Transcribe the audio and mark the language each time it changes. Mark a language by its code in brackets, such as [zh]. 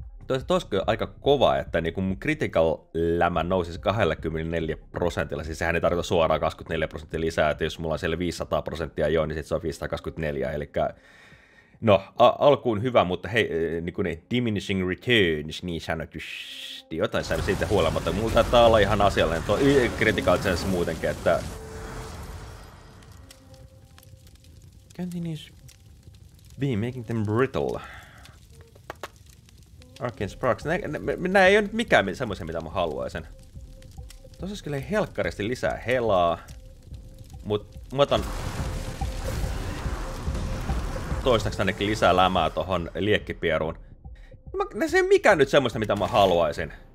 [fi] Olisiko aika kova, että niin mun critical lämä nousisi 24%, siis sehän ei tarkoita suoraan 24% lisää, että jos mulla on siellä 500% jo, niin sitten se on 524%, eli no, alkuun hyvä, mutta hei, niin kuin ne diminishing returns, niin sanotusti, jotain sain siitä huolimatta, mutta mulla taitaa olla ihan asiallinen tuo critical sense muutenkin, että... [en] Continuous beam making them brittle. [fi] Arcane Sparks, nää ei ole nyt mikään semmoisia, mitä mä haluaisin. Tuossa olisi kyllä helkkaristi lisää helaa, mutta mä otan... Toistaaks ainakin lisää lämää tohon liekkipieruun. Se ei mikään nyt semmoista, mitä mä haluaisin.